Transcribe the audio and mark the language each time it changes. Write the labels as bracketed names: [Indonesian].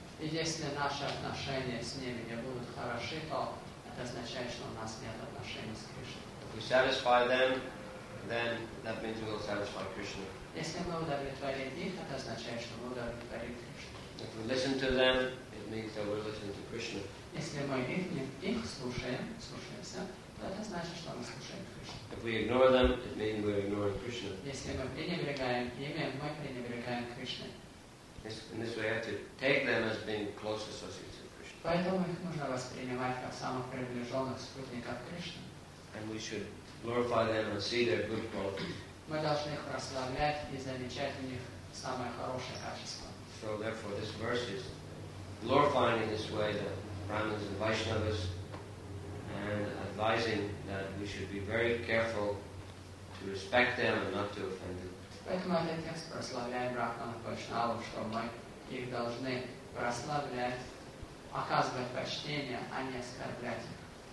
[English] If we satisfy them, then that means we'll satisfy Krishna. If we listen to them, it means that we're listening to Krishna. [Russian] Если мы их слушаемся, то это значит, что мы слушаем Кришну. [English] If we ignore them, it means we're ignoring Krishna. [Russian] Если мы пренебрегаем ими, мы пренебрегаем Кришной. [English] In this way, we have to take them as being close associates of Krishna. [Russian] Поэтому их нужно воспринимать как самых приближенных спутников Кришны. [English] And we should glorify them and see their good qualities. [Russian] Мы должны их прославлять и замечать в них самое хорошее качество. [English] So therefore, this verse is glorifying in this way that Brahmins and Vaishnavas, and advising that we should be very careful to respect them and not to offend them. [Russian] Поэтому этот текст прославляет Брахманов и Вайшнавов, что мы их должны прославлять, оказывать почтение, а не оскорблять их.